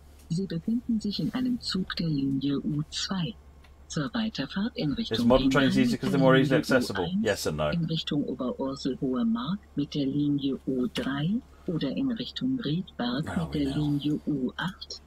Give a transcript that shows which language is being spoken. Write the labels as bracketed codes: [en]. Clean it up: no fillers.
[de] Sie befinden sich in einem Zug der Linie U2. Zur Weiterfahrt in Richtung. [en] Is modern trains easier because they're more easily accessible? Yes and no. [de] In Richtung Oberursel-Hohe Mark mit der Linie U3 oder in Richtung Riedberg mit der Linie U8.